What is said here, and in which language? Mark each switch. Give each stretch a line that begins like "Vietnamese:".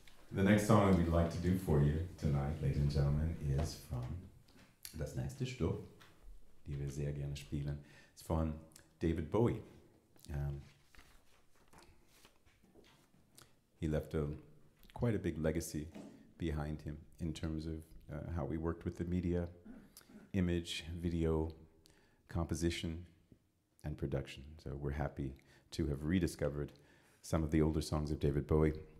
English: The next song that we'd like to do for you tonight, ladies and gentlemen, is from
German: Das nächste Stück, die wir sehr gerne spielen, ist von David Bowie.
English: He left quite a big legacy behind him in terms of how we worked with the media, image, video, composition, and production. So we're happy to have rediscovered some of the older songs of David Bowie.